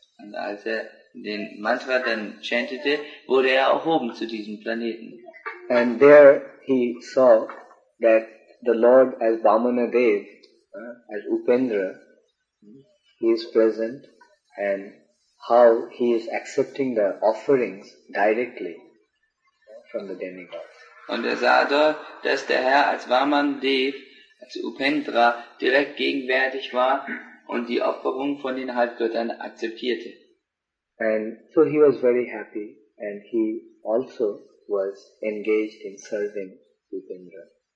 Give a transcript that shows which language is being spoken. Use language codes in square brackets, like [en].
[de] Und als er den Mantra dann chantete, wurde er erhoben zu diesem Planeten. [en] And there he saw that the Lord as Bamanadev, as Upendra, he is present and how he is accepting the offerings directly from the demigods. [de] Und er sah dort, dass der Herr als Vamandev, als Upendra, direkt gegenwärtig war und die Opferung von den Halbgöttern akzeptierte. [en] And so he was very happy and he also was engaged in serving Upendra.